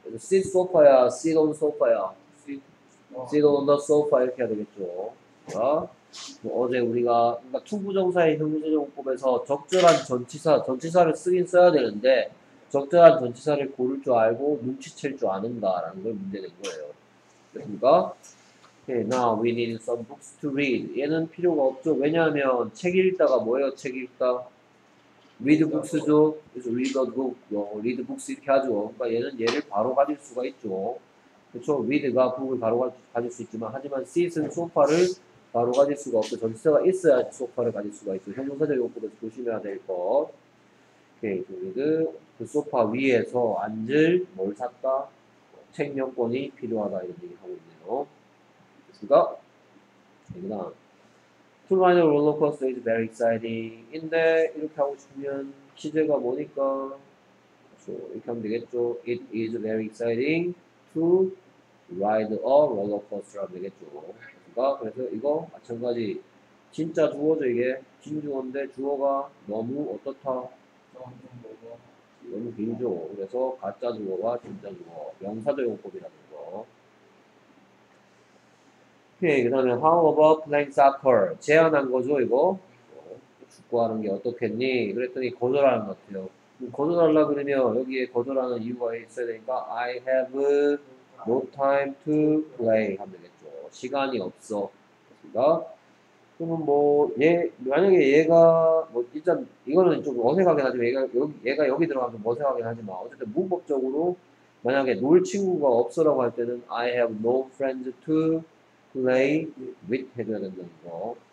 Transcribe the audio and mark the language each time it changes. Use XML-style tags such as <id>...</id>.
<en>Sit sofa야, sit on sofa야. Sit on the sofa</en> <ko>이렇게 해야 되겠죠. 그러니까 뭐 어제 우리가 그러니까 투부정사의 형용사용법에서 적절한 전치사, 전치사를 쓰긴 써야 되는데 적절한 전치사를 고를 줄 알고 눈치챌 줄 아는가라는 걸 문제낸 거예요. 됐습니까?</ko> <en>Okay, now we need some books to read.</en> <ko>얘는 필요가 없죠. 왜냐하면 책 읽다가 뭐예요? 책 읽다.</ko> <en>Read books</en> <ko>죠. 그래서</ko> <en>read a book. Read books</en> <ko>이렇게 하죠. 그러니까 얘는 얘를 바로 가질 수가 있죠. 그렇죠? Read가 book을 바로 가질 수 있지만 하지만 sit은 소파를 바로 가질 수가 없고 전치사가 있어야 소파를 가질 수가 있죠. 형용사적 용법에서 조심해야 될 것. Okay, 그 소파 위에서 앉을 뭘 샀다? 책 여권이 필요하다 이런 얘기 하고 있네요. 됐습니까? 됩니다.</ko> <en>To ride a roller coaster is very exciting.</en> <ko>근데 이렇게 하고 싶으면 기재가 뭐니까? 그렇죠. 이렇게 하면 되겠죠.</ko> <en>It is very exciting to ride a roller coaster</en> <ko>하면 되겠죠. 됐습니까? 그래서 이거 마찬가지 진짜 주어죠 이게. 진주어인데 주어가 너무 어떻다? 너무 길죠. 그래서 가짜 주어와 진짜 주어, 명사적 용법이라는 거. 오케이, 그 다음에</ko> <en>How about playing soccer?</en> <ko>제안한 거죠, 이거? 축구하는 게 어떻겠니? 그랬더니 거절하는 것 같아요. 거절하려고 그러면 여기에 거절하는 이유가 있어야 되니까</ko> <en>I have no time to play</en> <ko>하면 되겠죠. 시간이 없어. 그렇습니까? 그러면 뭐, 얘, 만약에 얘가, 뭐, 일단, 이거는 좀 어색하긴 하지만, 얘가 여기 들어가면 좀 어색하긴 하지만, 어쨌든, 문법적으로, 만약에 놀 친구가 없어라고 할 때는,</ko> <en>I have no friends to play with</en> <ko>해줘야 된다는 거.</ko>